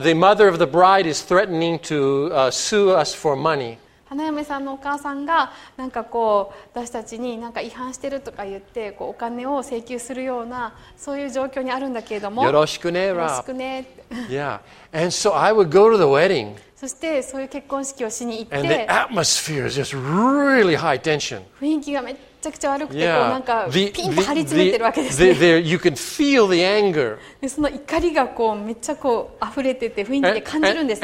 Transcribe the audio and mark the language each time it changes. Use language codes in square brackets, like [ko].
[en] The mother of the bride is threatening to sue us for money. [ja] 花嫁さんのお母さんがなんかこう私たちになんか違反してるとか言ってこうお金を請求するようなそういう状況にあるんだけれども、よろしくね、よろしくね。 [en] Yeah. And so I would go to the wedding. [ja] そしてそういう結婚式をしに行って、 [en] And the atmosphere is just really high tension. [ja] 雰囲気がめちゃくちゃ悪くて、yeah. こうなんかピンと張り詰めてるわけですね。 [en] You can feel the anger. [ja] でその怒りがこうめっちゃこう溢れてて雰囲気で感じるんです。